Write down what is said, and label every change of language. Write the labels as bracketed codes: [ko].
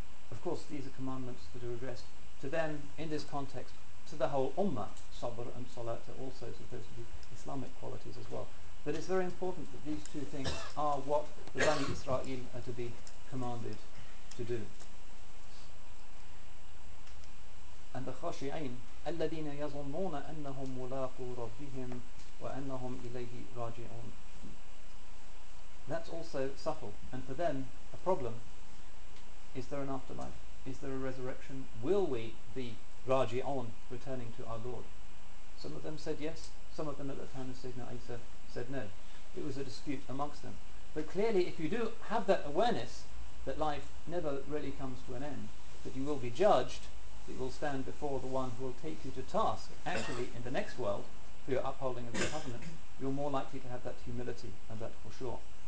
[en] Of course, these are commandments that are addressed to them in this context, to the whole Ummah. Sabr and Salat are also supposed to be Islamic qualities as well. But it's very important that these two things are what the Bani Israel are to be commanded to do. And the [ar] khashi'in, الذين يظنون أنهم ملاقو ربهم وأنهم إليه راجعون. [en] That's also subtle. And for them, a problem, is there an afterlife? Is there a resurrection? Will we be raji'un, returning to our Lord? Some of them said yes, some of them at the time of Sayyidina Isa said no. It was a dispute amongst them. But clearly, if you do have that awareness that life never really comes to an end, that you will be judged, that you will stand before the one who will take you to task, actually in the next world, for your upholding of the covenant, you're more likely to have that humility and that for sure.